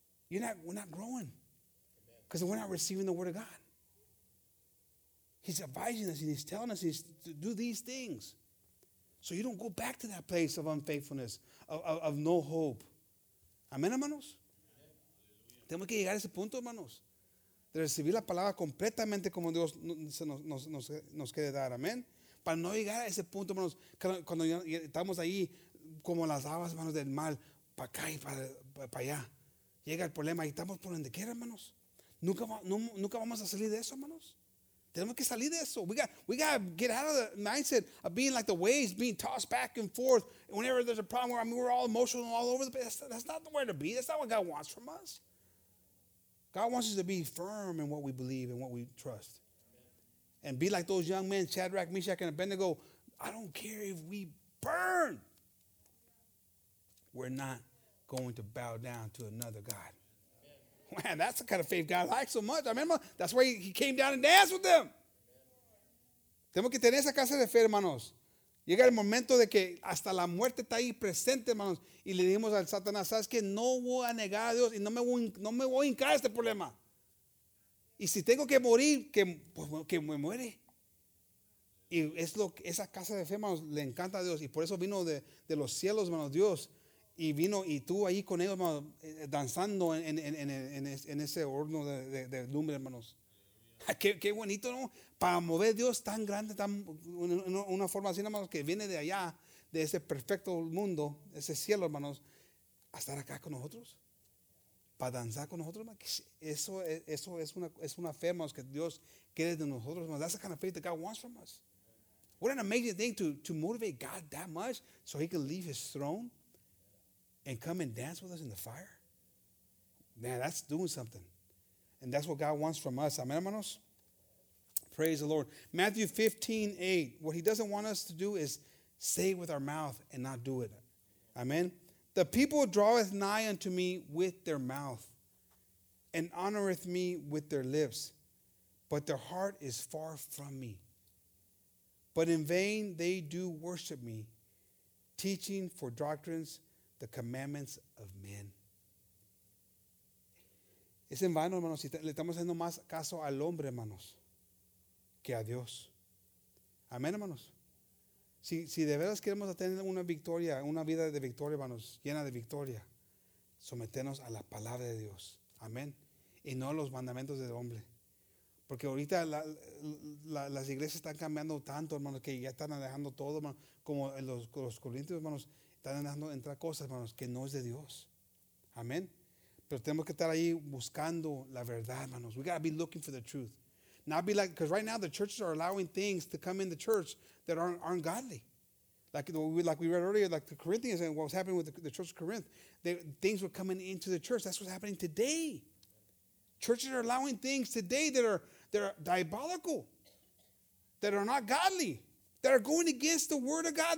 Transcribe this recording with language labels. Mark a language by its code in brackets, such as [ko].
[en] We're not growing because we're not receiving the word of God. He's advising us and he's telling us to do these things so you don't go back to that place of unfaithfulness, of no hope. [es] Amen, hermanos? Tenemos que llegar a ese punto, hermanos. De recibir la palabra completamente como Dios nos quiere dar. Amén. Para no llegar a ese punto, hermanos, cuando ya estamos ahí como las aguas, hermanos, del mal, para acá y para allá. Llega el problema y estamos por donde quiera, hermanos. Nunca vamos a salir de eso, hermanos. Tenemos que salir de eso. [en] We got to get out of the mindset of being like the waves, being tossed back and forth. And whenever there's a problem, I mean, we're all emotional all over the place. That's not the way to be. That's not what God wants from us. God wants us to be firm in what we believe and what we trust. And be like those young men, Shadrach, Meshach, and Abednego. I don't care if we burn. We're not going to bow down to another God. Man, that's the kind of faith God likes so much. I remember that's why he came down and danced with them. [es] Tenemos que tener esa casa de fe, hermanos. Llega el momento de que hasta la muerte está ahí presente, hermanos. Y le dijimos al Satanás, ¿sabes qué? No voy a negar a Dios y no me voy a hincar este problema. Y si tengo que morir, que me muere. Y es lo que esa casa de fe, hermanos, le encanta a Dios. Y por eso vino de los cielos, hermanos, Dios. Y vino y estuvo ahí con ellos, hermanos, danzando en ese horno de lumbre, hermanos. Qué bonito, ¿no? Para mover Dios tan grande, una forma así, hermanos, que viene de allá, de ese perfecto mundo, ese cielo, hermanos, a estar acá con nosotros. Para danzar con nosotros, hermanos. Eso es una fe, hermanos, que Dios quiere de nosotros, hermanos. [en] That's the kind of faith that God wants from us. What an amazing thing to motivate God that much so he can leave his throne and come and dance with us in the fire. Man, that's doing something. And that's what God wants from us. Amen, hermanos. Praise the Lord. Matthew 15:8. What he doesn't want us to do is say with our mouth and not do it. Amen. The people draweth nigh unto me with their mouth and honoreth me with their lips, but their heart is far from me. But in vain they do worship me, teaching for doctrines the commandments of men. [es] Es en vano, hermanos, si le estamos haciendo más caso al hombre, hermanos, que a Dios. Amén, hermanos. Si de veras queremos tener una victoria, una vida de victoria, hermanos, llena de victoria, someternos a la palabra de Dios. Amén. Y no a los mandamientos del hombre. Porque ahorita las iglesias están cambiando tanto, hermanos, que ya están dejando todo, hermanos, como los corintios, hermanos, están dejando entrar cosas, hermanos, que no es de Dios. Amén. Pero tenemos que estar ahí buscando la verdad, hermanos. [en] We gotta be looking for the truth. Not be like, because right now the churches are allowing things to come in the church that aren't godly. Like we read earlier, like the Corinthians and what was happening with the church of Corinth, things were coming into the church. That's what's happening today. Churches are allowing things today that are diabolical, that are not godly, that are going against the word of God.